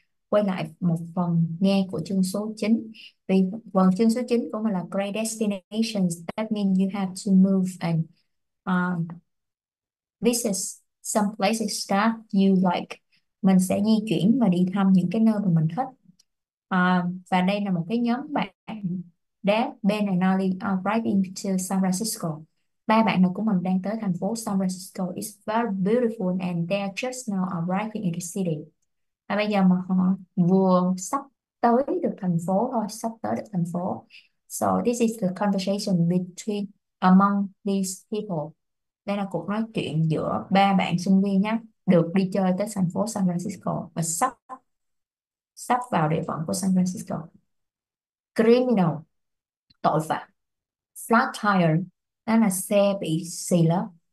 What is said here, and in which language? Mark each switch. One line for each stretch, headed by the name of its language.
Vietnamese: Quay lại một phần nghe của chương số 9. Vì phần chương số 9 của mình là great destinations that mean you have to move and visit some places that you like. Mình sẽ di chuyển và đi thăm những cái nơi mà mình thích. Và đây là một cái nhóm bạn đã Ben and Ali arriving to San Francisco. Ba bạn nữ của mình đang tới thành phố San Francisco.
English: It's very beautiful and they're just now arriving in the city.
Vietnamese: Và bây giờ mà họ vừa sắp tới được thành phố thôi, sắp tới được thành phố.
English: So this is the conversation between among these people.
Vietnamese: Đây là cuộc nói chuyện giữa ba bạn sinh viên nhé, được đi chơi tới thành phố San Francisco và sắp vào địa phận của San Francisco. Criminal, tội phạm. Flat tire, đó là xe bị xì lốp.